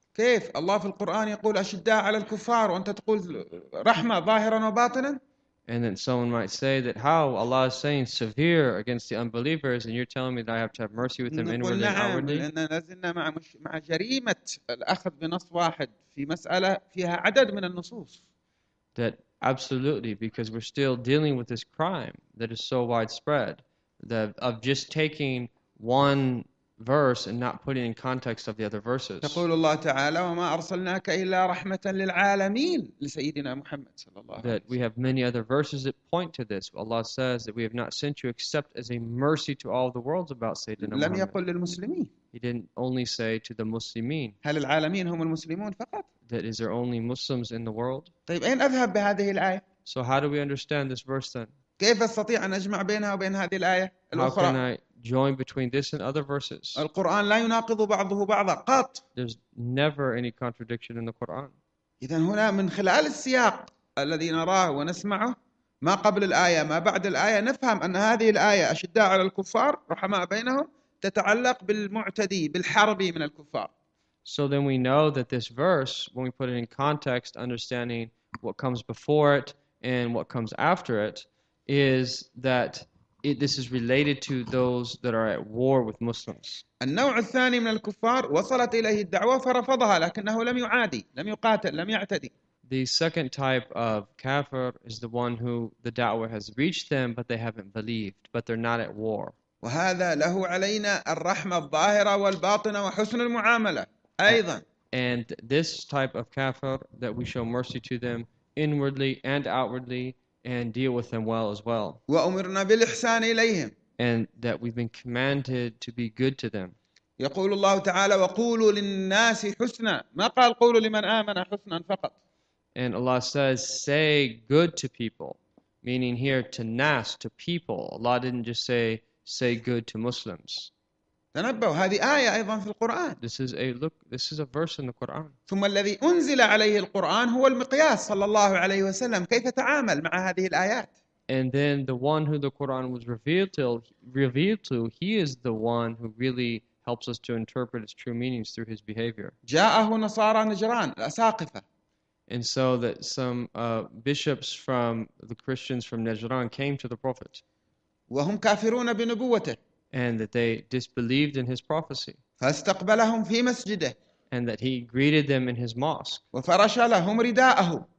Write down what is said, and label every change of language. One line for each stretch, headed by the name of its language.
Arabic: كيف الله في القرآن يقول أشداء على الكفار وأنت تقول رحمة ظاهرا وباطنا؟
English: And then someone might say that how Allah is saying severe against the unbelievers and you're telling me that I have to have mercy with them
Arabic: نقول
English: inwardly and
Arabic: نعم
English: outwardly.
Arabic: لأننا لازلنا مع جريمة الأخذ بنص واحد في مسألة فيها عدد من النصوص.
English: That absolutely because we're still dealing with this crime that is so widespread that of just taking one verse and not putting in context of the other verses.
Arabic: تقول الله تعالى وما أرسلناك إلا رحمة للعالمين لسيدنا محمد صلى الله عليه وسلم.
English: That we have many other verses that point to this. Allah says that we have not sent you except as a mercy to all the worlds about سيدنا محمد.
Arabic: لم يقل للمسلمين.
English: He didn't only say to the Muslimin.
Arabic: هل العالمين هم المسلمون فقط؟
English: That is there only Muslims in the world?
Arabic: طيب أين أذهب بهذه الآية؟
English: So how do we understand this verse then?
Arabic: كيف أستطيع أن أجمع بينها وبين هذه الآية الأخرى؟
English: How can I join between this and other verses?
Arabic: القرآن لا يناقض بعضه بعضا قط.
English: There's never any contradiction in the Quran.
Arabic: إذن هنا من خلال السياق الذي نراه ونسمعه ما قبل الآية ما بعد الآية نفهم أن هذه الآية أشداء على الكفار رحماء بينهم تتعلق بالمعتدي بالحربي من الكفار.
English: So then we know that this verse, when we put it in context, understanding what comes before it and what comes after it, is that this is related to those that are at war with Muslims.
Arabic: النوع الثاني من الكفار وصلت إليه الدعوة فرفضها لكنه لم يعادي لم يقاتل لم يعتدي.
English: The second type of kafir is the one who the da'wah has reached them but they haven't believed, but they're not at war.
Arabic: وهذا له علينا الرحمة الظاهرة والباطنة وحسن المعاملة أيضا.
English: And this type of kafir that we show mercy to them inwardly and outwardly and deal with them well as well.
Arabic: وأمرنا بالإحسان إليهم.
English: And that we've been commanded to be good to them.
Arabic: يقول الله تعالى وقولوا للناس حسنا ما قال قولوا لمن آمن حسنا فقط.
English: And Allah says say good to people meaning here to nas to people. Allah didn't just say good to Muslims.
Arabic: تنبه. هذه آية أيضا في القرآن.
English: This is a look, this is a verse in the Quran.
Arabic: ثم الذي أنزل عليه القرآن هو المقياس صلى الله عليه وسلم، كيف تعامل مع هذه الآيات؟
English: And then the one who the Quran was revealed to, he is the one who really helps us to interpret its true meanings through his behavior.
Arabic: جاءه نصارى نجران الأساقفة.
English: And so that some bishops from the Christians from Najran came to the Prophet.
Arabic: وهم كافرون بنبوته.
English: And that they disbelieved in his prophecy.
Arabic: فاستقبلهم في مسجده.
English: And that he greeted them in his mosque.
Arabic: وفرش لهم رداءه.